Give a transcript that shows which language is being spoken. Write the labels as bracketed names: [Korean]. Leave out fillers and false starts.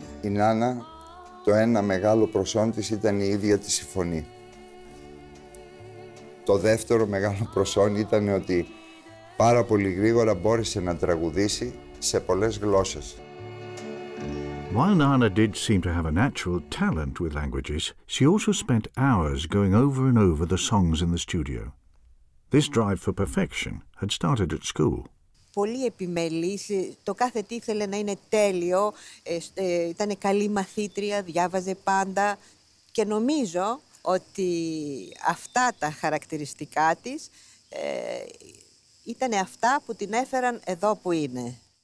[Greek] Νάνα, το ένα μεγάλο προσόν της ήταν η ίδια της η φωνή. Το δεύτερο μεγάλο προσόν ήταν ότι πάρα πολύ γρήγορα μπόρεσε να τραγουδήσει σε πολλές γλώσσες. [English] While Nana did seem to have a natural talent with languages, she also spent hours going over and over the songs in the studio. This drive for perfection had started at school. [Greek] Πολύ επιμελής, το κάθε τι ήθελε να είναι τέλειο, ήταν καλή μαθήτρια, διάβαζε πάντα και νομίζω ότι αυτά τα χαρακτηριστικά της ήταν αυτά που την έφεραν εδώ που είναι.